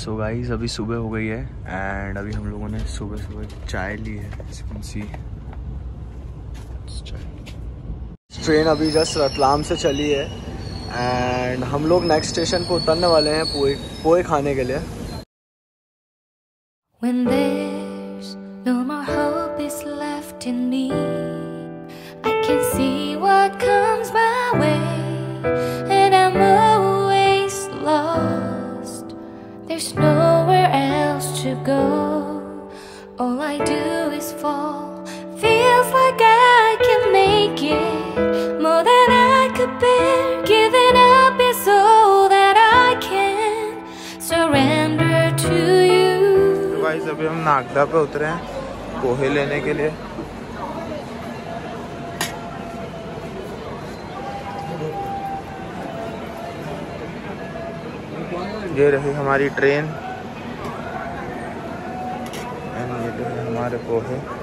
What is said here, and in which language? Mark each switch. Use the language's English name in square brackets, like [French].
[Hindi] So guys अभी सुबह हो गई है एंड अभी हम लोगों ने सुबह सुबह चाय ली है। [English] As you can see, [Hindi] train अभी जस्ट रतलाम से चली है एंड हम लोग नेक्स्ट स्टेशन पर उतरने वाले हैं पोहे खाने के लिए। [English] When there's no more hope is left in me, I can see what comes my way, and I'm always lost. There's nowhere else to go. All I do is fall. Feels like I can make it more than I could bear. Giving up is all that I can surrender to you. [Hindi] Guys अभी हम नागदा पे उतरे हैं पोहे लेने के लिए। ये रही हमारी ट्रेन एंड ये रहे हमारे पोहे।